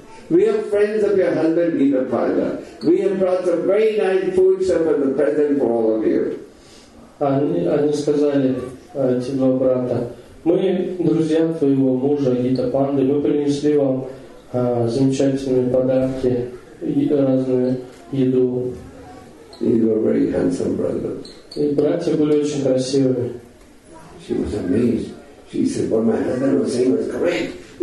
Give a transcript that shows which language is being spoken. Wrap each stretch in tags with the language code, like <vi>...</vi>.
<en>We are friends of your husband, Gita Panda. We have brought some very nice food, some of the present for all of you.</en> <ru>Они сказали, эти два брата, мы друзья твоего мужа, Гита Панды, мы принесли вам замечательные подарки, разную еду.</ru> <en>They were very handsome brothers.</en> <ru>И братья были очень красивыми.</ru> <en>She was amazed. She said, what my husband was saying was correct.</en>